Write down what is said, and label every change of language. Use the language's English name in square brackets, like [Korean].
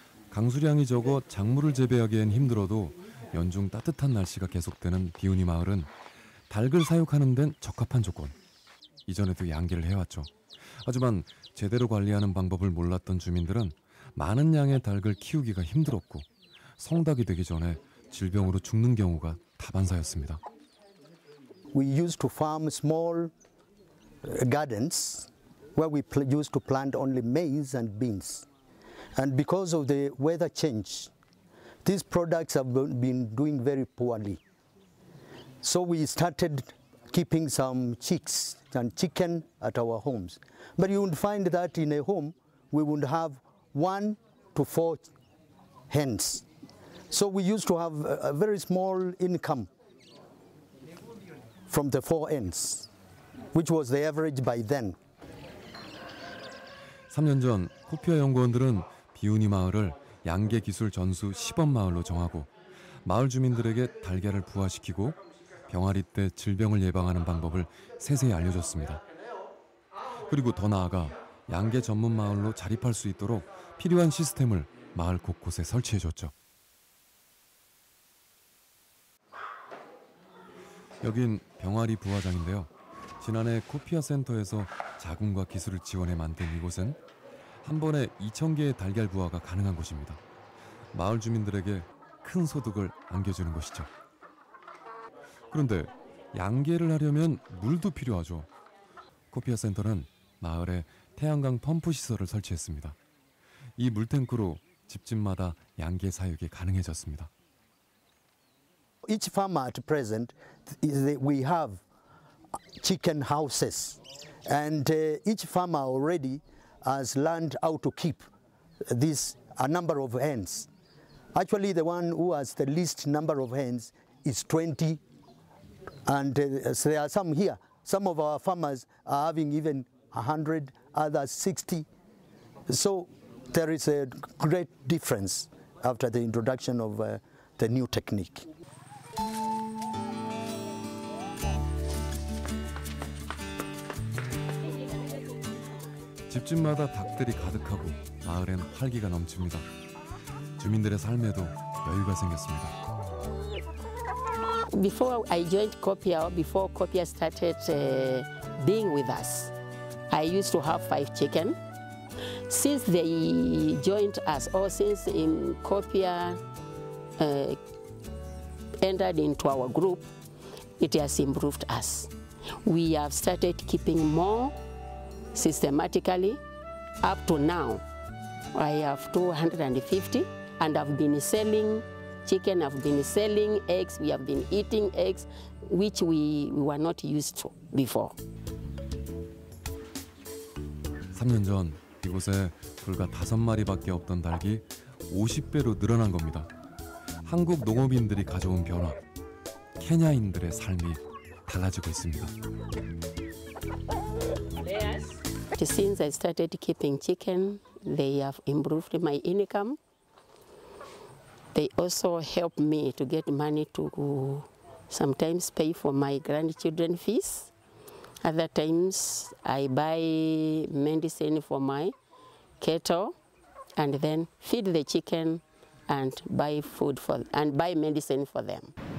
[Korean] 강수량이 적어 작물을 재배하기엔 힘들어도 연중 따뜻한 날씨가 계속되는 비우니 마을은 닭을 사육하는 데는 적합한 조건. 이전에도 양계를 해왔죠. 하지만 제대로 관리하는 방법을 몰랐던 주민들은 많은 양의 닭을 키우기가 힘들었고 성닭이 되기 전에 질병으로 죽는 경우가 다반사였습니다. [English] We used to farm small gardens where we used to plant only maize and beans. And because of the weather change, these products have been doing very poorly. So we started keeping some chicks and chicken at our homes. But you would find that in a home, we would have 1 to 4 hens. So we used to have a very small income from the 4 hens, which was the average by then. [Korean] 3년 전, 코피아 연구원들은 비우니 마을을 양계 기술 전수 시범 마을로 정하고 마을 주민들에게 달걀을 부화시키고 병아리 때 질병을 예방하는 방법을 세세히 알려줬습니다. 그리고 더 나아가 양계 전문 마을로 자립할 수 있도록 필요한 시스템을 마을 곳곳에 설치해줬죠. 여긴 병아리 부화장인데요. 지난해 코피아 센터에서 자궁과 기술을 지원해 만든 이곳은 한 번에 2천 개의 달걀 부화가 가능한 곳입니다. 마을 주민들에게 큰 소득을 안겨주는 것이죠. 그런데 양계를 하려면 물도 필요하죠. 코피아 센터는 마을에 태양광 펌프 시설을 설치했습니다. 이 물탱크로 집집마다 양계 사육이 가능해졌습니다. [English] Each farmer at present, we have chicken houses, and each farmer already has learned how to keep this a number of hens. Actually, the one who has the least number of hens is 20, and so there are some here. Some of our farmers are having even 100, others 60. So there is a great difference after the introduction of the new technique. [Korean] 집집마다 닭들이 가득하고 마을엔 활기가 넘칩니다. 주민들의 삶에도 여유가 생겼습니다. [English] Before I joined Copia, before Copia started being with us, I used to have 5 chicken. Since they joined us, or since in Copia entered into our group, it has improved us. We have started keeping more systematically. Up to now, I have 250, and I've been selling chicken, I've been selling eggs, we have been eating eggs, which we were not used to before. [Korean] 3년 전, 이곳에 불과 5마리밖에 없던 닭이 50배로 늘어난 겁니다. 한국 농업인들이 가져온 변화, 케냐인들의 삶이 달라지고 있습니다. [English] Since I started keeping chicken, they have improved my income. They also help me to get money to sometimes pay for my grandchildren fees. Other times I buy medicine for my cattle and then feed the chicken and buy food for and buy medicine for them.